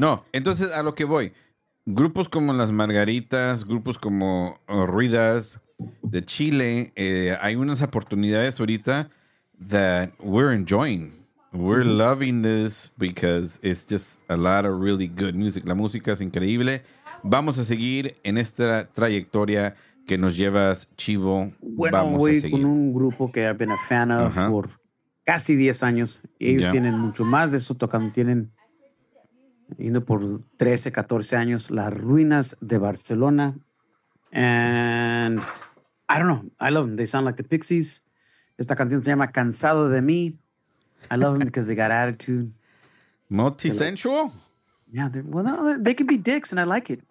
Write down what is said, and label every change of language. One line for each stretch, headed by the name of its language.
Spanish: No, entonces a lo que voy. Grupos como Las Margaritas, grupos como Ruidas de Chile, hay unas oportunidades ahorita
English: that we're enjoying. We're loving this because it's just a lot of really good music.
Spanish: La música es increíble. Vamos a seguir en esta trayectoria que nos llevas, Chivo. Bueno, vamos voy a seguir con un grupo que
English: I've been a fan of for
Spanish: casi 10 años. Ellos tienen mucho más de eso tocando. Tienen, yendo por 13, 14 años, Las Ruinas de Barcelona.
English: And I don't know. I love them. They sound like the Pixies.
Spanish: Esta canción se llama Cansado de mí.
English: I love them because they got attitude. Multisensual? Yeah. Well, no, they can be dicks, and I like it.